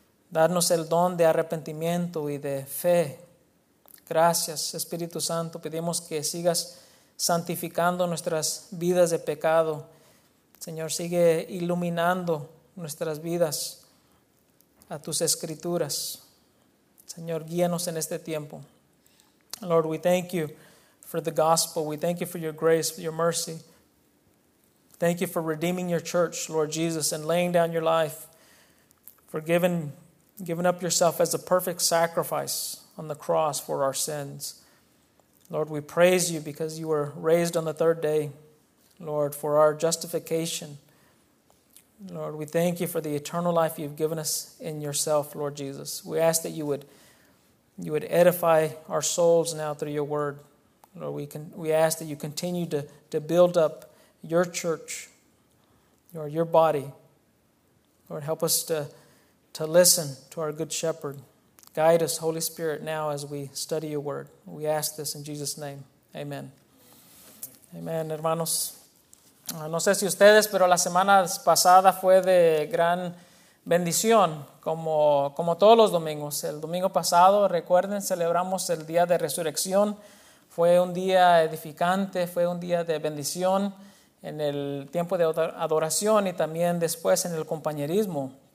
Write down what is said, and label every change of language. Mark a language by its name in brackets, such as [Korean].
[Spanish] Darnos el don de arrepentimiento y de fe. Gracias, Espíritu Santo. Pedimos que sigas santificando nuestras vidas de pecado. Señor, sigue iluminando nuestras vidas a tus escrituras. Señor, guíanos en este tiempo. [English] Lord, we thank you for the gospel. We thank you for your grace, for your mercy. Thank you for redeeming your church, Lord Jesus, and laying down your life, for giving up yourself as a perfect sacrifice on the cross for our sins. Lord, we praise you because you were raised on the third day, Lord, for our justification. Lord, we thank you for the eternal life you've given us in yourself, Lord Jesus. We ask that you would edify our souls now through your word. Lord, we ask that you continue to build up your church, Lord, your body. Lord, help us to listen to our good shepherd. Guide us, Holy Spirit, now as we study your word. We ask this in Jesus' name. [Spanish] Amen. Amen, hermanos. No sé si ustedes, pero la semana pasada fue de gran bendición, como todos los domingos. El domingo pasado, recuerden, celebramos el Día de Resurrección. Fue un día edificante, fue un día de bendición en el tiempo de adoración y también después en el compañerismo.